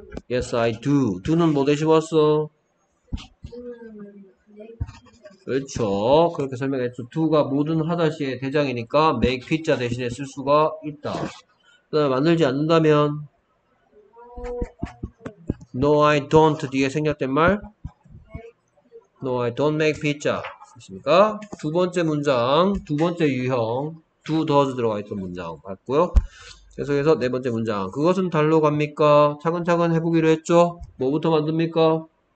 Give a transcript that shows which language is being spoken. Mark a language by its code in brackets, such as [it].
[en] Yes, I do. [ko] Do는 뭐 대신 왔어? 그렇죠. 그렇게 설명했죠. Do가 모든 하다시의 대장이니까 [en] make pizza [ko] 대신에 쓸 수가 있다. 그다음에 만들지 않는다면 [en] No, I don't [ko] 뒤에 생략된 말 [en] No, I don't make pizza [ko] 있습니까? 두 번째 문장, 두 번째 유형 Do, does 들어가 있던 문장 봤고요. 계속해서 네 번째 문장 그것은 달로 갑니까? 차근차근 해보기로 했죠. 뭐부터 만듭니까?